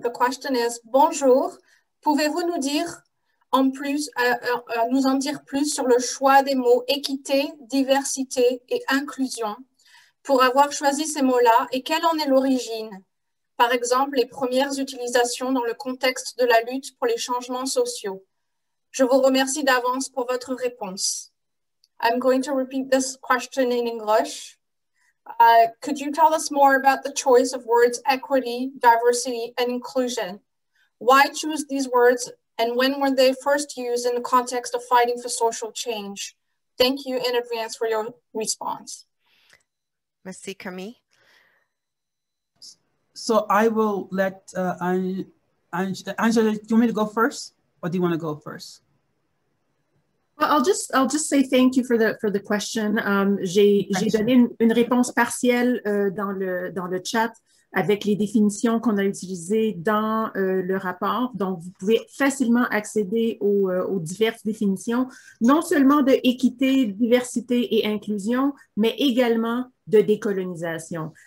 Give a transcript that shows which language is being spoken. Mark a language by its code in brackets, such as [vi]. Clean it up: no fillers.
[en] The question is, [fr] bonjour, pouvez-vous nous dire en plus, nous en dire plus sur le choix des mots équité, diversité et inclusion pour avoir choisi ces mots-là et quelle en est l'origine? Par exemple, les premières utilisations dans le contexte de la lutte pour les changements sociaux. Je vous remercie d'avance pour votre réponse. [en] I'm going to repeat this question in English. Could you tell us more about the choice of words equity, diversity, and inclusion? Why choose these words and when were they first used in the context of fighting for social change? Thank you in advance for your response. [fr] Merci, Camille. [en] So I will let Angela, do you want me to go first or do you want to go first? Well, I'll just say thank you for the question. [fr] J'ai donné une réponse partielle dans le chat avec les définitions qu'on a utilisées dans le rapport. Donc, vous pouvez facilement accéder aux diverses définitions, non seulement de équité, diversité et inclusion, mais également de décolonisation.